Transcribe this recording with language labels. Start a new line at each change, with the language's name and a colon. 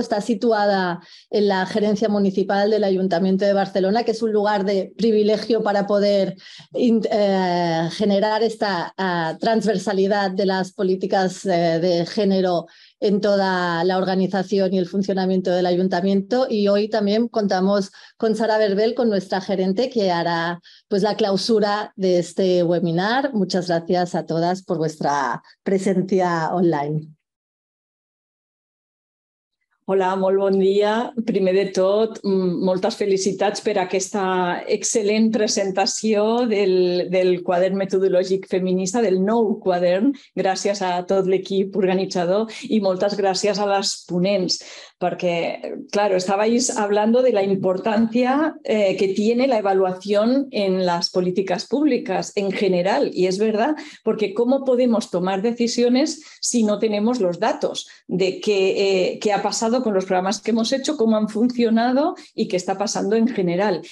Spanish: Está situada en la Gerencia Municipal del Ayuntamiento de Barcelona, que es un lugar de privilegio para poder generar esta transversalidad de las políticas de género en toda la organización y el funcionamiento del ayuntamiento. Y hoy también contamos con Sara Verbel, con nuestra gerente, que hará pues la clausura de este webinar. Muchas gracias a todas por vuestra presencia online.
Catalan: Hola, molt bon dia. Primer de tot, moltes felicitats per aquesta excel·lent presentació del quadern metodològic feminista, del nou quadern, gràcies a tot l'equip organitzador i moltes gràcies a les ponents.
Spanish: Porque, claro, estabais hablando de la importancia que tiene la evaluación en las políticas públicas en general. Y es verdad, porque ¿cómo podemos tomar decisiones si no tenemos los datos de qué ha pasado con los programas que hemos hecho, cómo han funcionado y qué está pasando en general?